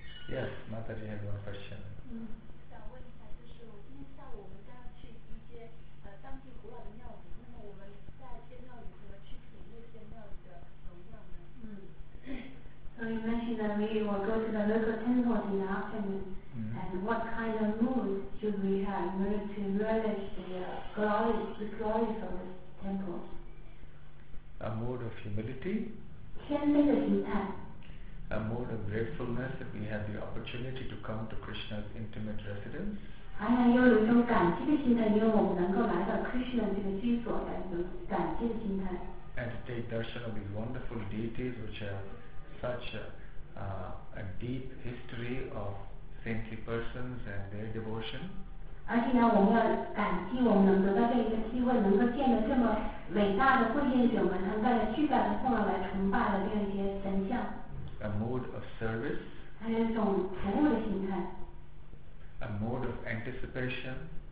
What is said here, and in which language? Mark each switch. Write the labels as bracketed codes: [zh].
[en] Yes, Mataji has one question. [zh] 想问一下，就是我今天下午我们将去一些当地古老的庙宇，那么我们在一些庙宇怎么去品那些庙宇的能量呢？ [en] So you mentioned that we will go to the local temple in the afternoon, and what kind of mood should we have in order to relish the glory of the temple? A mood of humility. [zh] 谦卑的心态。 [en] A mode of gratefulness that we have the opportunity to come to Krishna's intimate residence. [zh] 还要有一种感激的心态，因为我们能够来到 Krishna 这个居所，来一种感激的心态。 [en] And take darshan of these wonderful deities, which have such a deep history of saintly persons and their devotion. [zh] 而且呢，我们要感激我们能得到这一个机会，能够见到这么伟大的贵宾者们，他们带着巨大的供养来崇拜的这些神像。 [en] A mode of service, [zh] 还有一种服务的心态。 [en] A mode of anticipation,